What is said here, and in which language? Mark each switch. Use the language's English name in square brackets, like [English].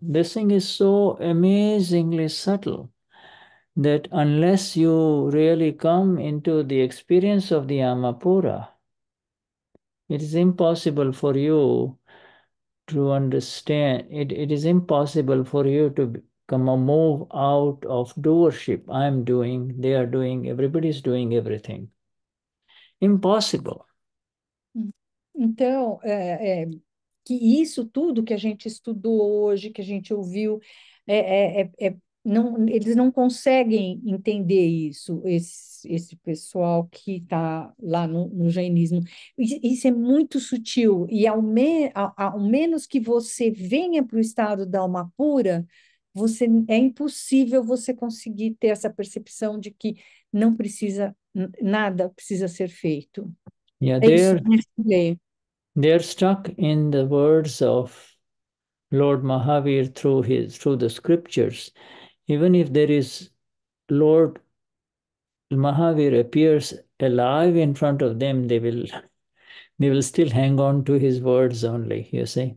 [English] This thing is so amazingly subtle that unless you really come into the experience of the Amapura, it is impossible for you to understand it. It is impossible for you to come a move out of doership. I am doing, they are doing, everybody is doing everything. Impossible. [Portuguese] Então, que isso tudo que a gente estudou hoje, que a gente ouviu, não, eles não conseguem entender isso, esse pessoal que está lá no jainismo. Isso é muito sutil, e ao menos que você venha para o estado da alma pura, você é impossível você conseguir ter essa percepção de que não precisa, nada precisa ser feito. [English] Yeah, [Portuguese] É isso que eu queria dizer. [English] they're stuck in the words of Lord Mahavir through the scriptures. Even if there is Lord Mahavir appears alive in front of them, they will still hang on to his words only, you see.